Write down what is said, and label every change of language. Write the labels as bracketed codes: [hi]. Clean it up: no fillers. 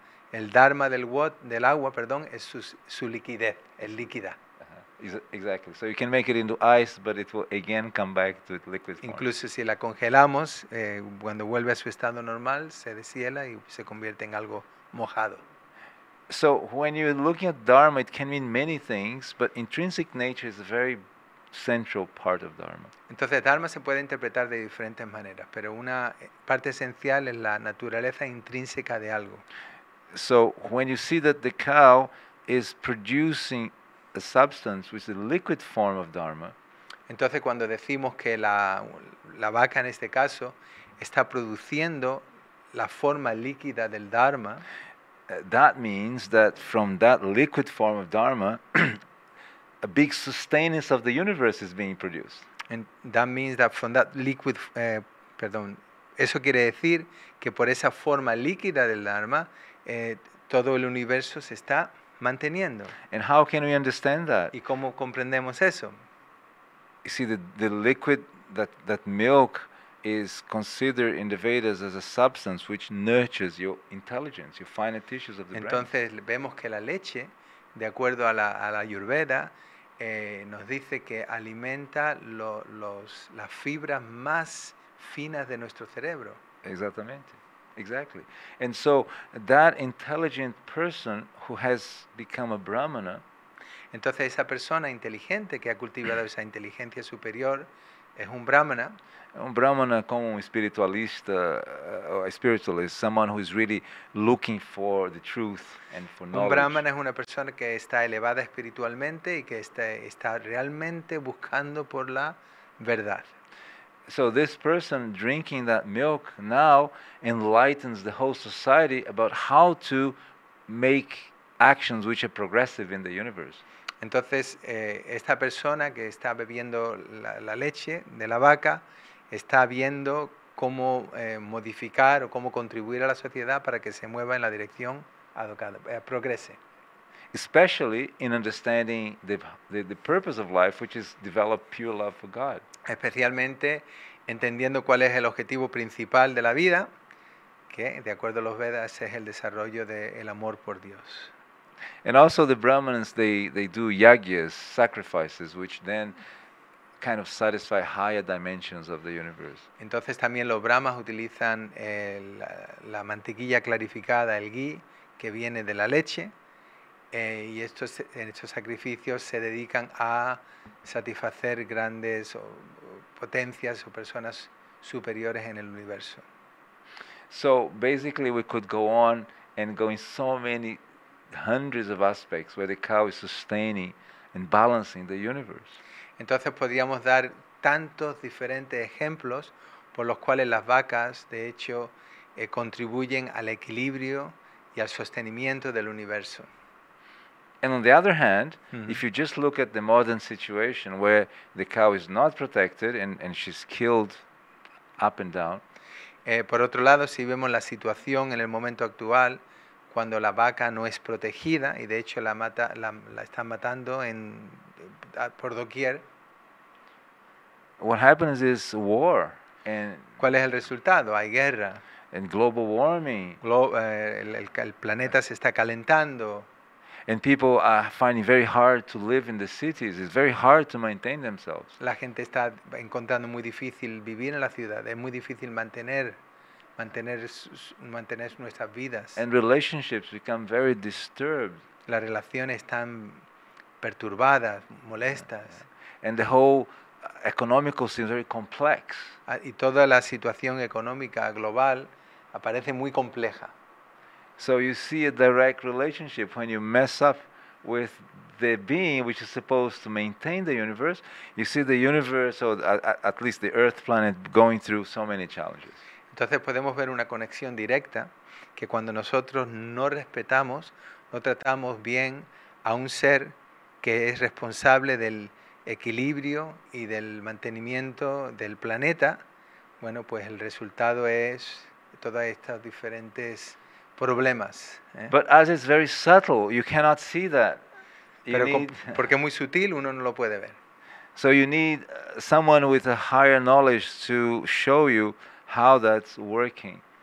[es] el dharma del agua, perdón, es su liquidez, es líquida. [en] Exactly. So you can make it into ice, but it will again come back to its liquid form. [es] Incluso si la congelamos, cuando vuelve a su estado normal, se deshiela y se convierte en algo mojado. [en] So when you're looking at Dharma, it can mean many things, but intrinsic nature is a very central part of Dharma. [es] Entonces, Dharma se puede interpretar de diferentes maneras, pero una parte esencial es la naturaleza intrínseca de algo. [en] So when you see that the cow is producing a substance with the liquid form of Dharma. [es] Entonces, cuando decimos que la vaca, en este caso, está produciendo la forma líquida del Dharma, [en] that means that from that liquid form of Dharma, a big sustenance of the universe is being produced. And that means that from that liquid, [es] eso quiere decir que por esa forma líquida del Dharma, todo el universo se está manteniendo. [en] And how can we understand that? [es] ¿Y cómo comprendemos eso? [en] You see, the liquid, that milk, is considered in the Vedas as a substance which nurtures your intelligence, your finer tissues of the brain. [es] Entonces vemos que la leche, de acuerdo a la Ayurveda, nos dice que alimenta las fibras más finas de nuestro cerebro. Exactamente. Exactly. [en] And so that intelligent person who has become a brahmana, [es] entonces esa persona inteligente que ha cultivado esa inteligencia superior es un brahmana. Un brahmana como un espiritualista, [en] or a spiritualist, [es] someone who is really looking for the truth and for knowledge. Un brahmana es una persona que está elevada espiritualmente y que está realmente buscando por la verdad. [en] So this person drinking that milk now enlightens the whole society about how to make actions which are progressive in the universe. [es] Entonces, esta persona que está bebiendo la leche de la vaca está viendo cómo modificar o cómo contribuir a la sociedad para que se mueva en la dirección adecuada, progrese. [en] Especially in understanding the purpose of life, which is develop pure love for God. [es] Especialmente entendiendo cuál es el objetivo principal de la vida, que de acuerdo a los Vedas es el desarrollo del amor por Dios. [en] And also the Brahmins, they do yagyas, sacrifices, which then kind of satisfy higher dimensions of the universe. [es] Entonces también los brahmas utilizan la mantequilla clarificada, el ghee, que viene de la leche, y estos sacrificios se dedican a satisfacer grandes potencias o personas superiores en el universo. [en] So basically we could go on and go in so many hundreds of aspects where the cow is sustaining and balancing the universe. [es] Entonces podríamos dar tantos diferentes ejemplos por los cuales las vacas, de hecho, contribuyen al equilibrio y al sostenimiento del universo. [en] And on the other hand, if you just look at the modern situation where the cow is not protected and she's killed up and down. [es] Por otro lado, si vemos la situación en el momento actual, cuando la vaca no es protegida y de hecho la están matando en por doquier. [en] What happens is war and [es] ¿cuál es el resultado? Hay guerra. [en] And global warming. [es] El planeta se está calentando. [en] And people are finding very hard to live in the cities. It's very hard to maintain themselves. [es] La gente está encontrando muy difícil vivir en la ciudad. Es muy difícil mantener nuestras vidas. [en] And relationships become very disturbed. [es] Las relaciones están perturbadas, molestas. [en] And the whole economical seems very complex. [es] Y toda la situación económica global aparece muy compleja. [en] So you see a direct relationship when you mess up with the being which is supposed to maintain the universe, you see the universe, or at least the Earth planet, going through so many challenges. [es] Entonces podemos ver una conexión directa que cuando nosotros no respetamos, no tratamos bien a un ser que es responsable del equilibrio y del mantenimiento del planeta, bueno, pues el resultado es todas estas diferentes problemas. [en] But as it's very subtle, you cannot see that. [es] Pero porque es muy sutil, uno no lo puede ver. [en] So you need someone with a higher knowledge to show you how that's working.